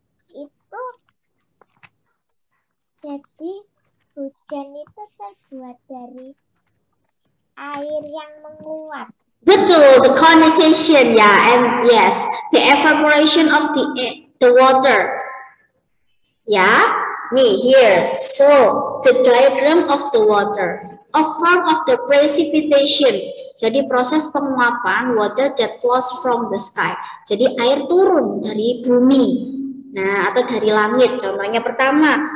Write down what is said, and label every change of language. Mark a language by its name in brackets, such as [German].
[Indonesian] Itu jadi hujan itu terbuat dari air yang menguap. Betul, [English] the condensation ya, yeah, and yes, the evaporation of the water. [Indonesian] Ya, [English] yeah, [Indonesian] nih [English] here. So, the diagram of the water, a form of the precipitation. [Indonesian] Jadi proses penguapan [English] water that flows from the sky. [Indonesian] Jadi air turun dari bumi. Nah, atau dari langit. Contohnya pertama,